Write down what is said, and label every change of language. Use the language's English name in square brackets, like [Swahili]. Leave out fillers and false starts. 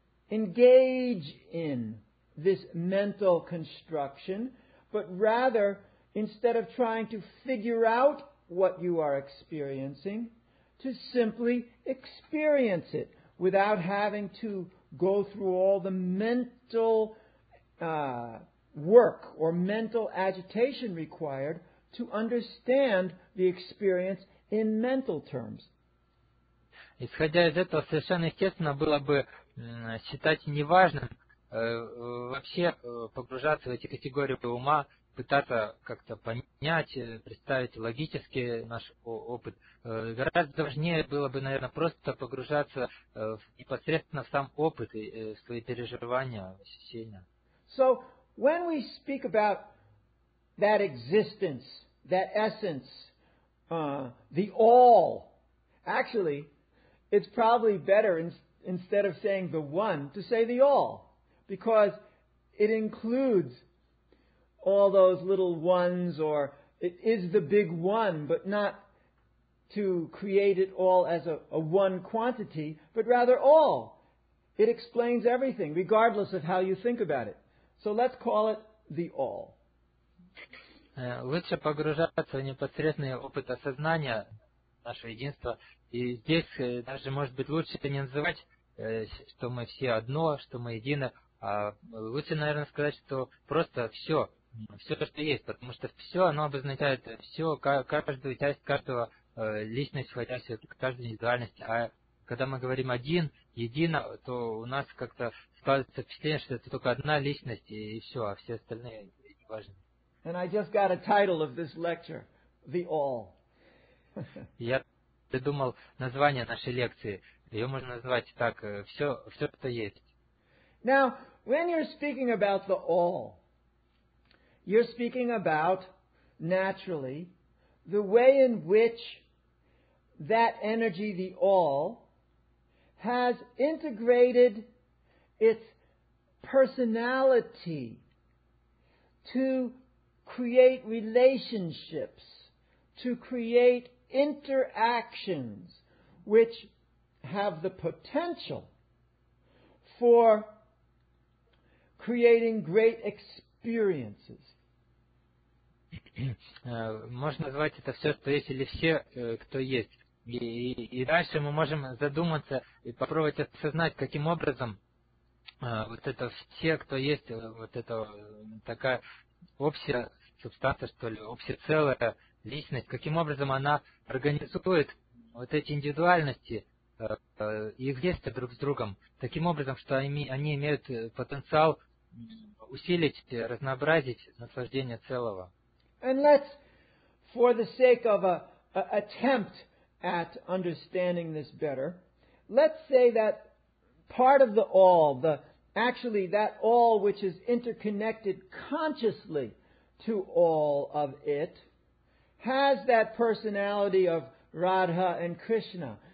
[English] engage in this mental construction, but rather, instead of trying to figure out what you are experiencing, to simply experience it without having to go through all the mental work or mental agitation required to understand the experience in mental terms. [Russian] Исходя из этого, совершенно естественно было бы считать неважным вообще погружаться в эти категории ума, пытаться как-то понять, представить логически наш опыт. Гораздо важнее было бы, наверное, просто погружаться непосредственно в сам опыт и в свои переживания, ощущения. [English] So, when we speak about that existence, that essence, the all, actually, it's probably better, instead of saying the one, to say the all, because it includes all those little ones, or it is the big one, but not to create it all as a one quantity, but rather all. It explains everything, regardless of how you think about it. So let's call it the all. [Russian] Лучше погружаться в непосредственный опыт осознания нашего единства. И здесь даже, может быть, лучше это не называть, что мы все одно, что мы едины, а лучше, наверное, сказать, что просто все, все то, что есть, потому что все, оно обозначает все, каждую часть каждого личность, входящая к каждой индивидуальности. А когда мы говорим один, едино, то у нас как-то складывается впечатление, что это только одна личность, и все, а все остальные не важны. [English] And I just got a title of this lecture, The All. [Russian] Я придумал название нашей лекции. Ее можно назвать так, все, что есть. [English] Now, when you're speaking about the All, you're speaking about, naturally, the way in which that energy, the All, has integrated its personality to create relationships, to create interactions which have the potential for creating great experiences. [Russian] Можно назвать это все, что есть, или все, кто есть. И дальше мы можем задуматься и попробовать осознать, каким образом вот это все, кто есть, вот это такая общая субстанция, что ли, общая целая личность, каким образом она организует вот эти индивидуальности, их действия друг с другом, таким образом, что они имеют потенциал усилить, разнообразить наслаждение целого. [English] And let's, for the sake of an attempt at understanding this better, let's say that part of the all, that all which is interconnected consciously to all of it, has that personality of Radha and Krishna.